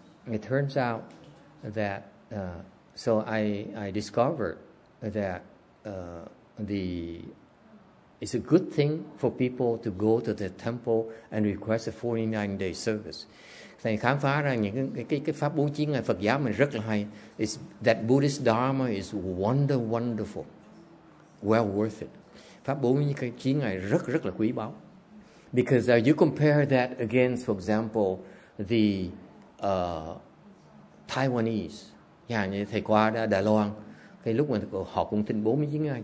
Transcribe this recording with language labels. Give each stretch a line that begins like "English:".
English: It turns out that so I discovered that it's a good thing for people to go to the temple and request a 49-day service.
Vietnamese: Thầy khám phá ra những cái pháp 49 ngày Phật giáo mình rất là hay.
English: It's that Buddhist Dharma is wonderful, well worth it.
Vietnamese: Pháp 49 ngày rất rất là quý báu.
English: Because you compare that against, for example, the Taiwanese.
Vietnamese: Yeah, như thầy qua đã Đài Loan, cái lúc mà họ cũng tin 49 ngày,